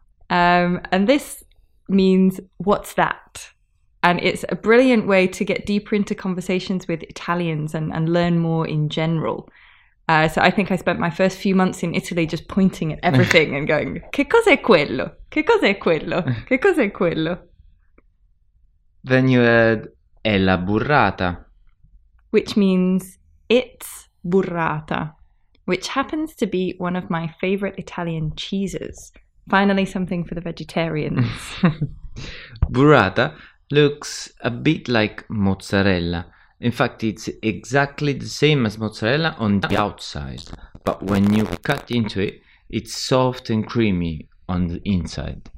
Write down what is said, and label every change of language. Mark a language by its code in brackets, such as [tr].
[en] And this means, what's that? And it's a brilliant way to get deeper into conversations with Italians and learn more in general. So I think I spent my first few months in Italy just pointing at everything and going, [it] Che cos'è quello? Che cos'è quello? Che cos'è quello? [en] Then you add, [it] è la burrata. [en] Which means, it's burrata, which happens to be one of my favorite Italian cheeses. Finally, something for the vegetarians. Burrata looks a bit like mozzarella. In fact, it's exactly the same as mozzarella on the outside, but when you cut into it, it's soft and creamy on the inside.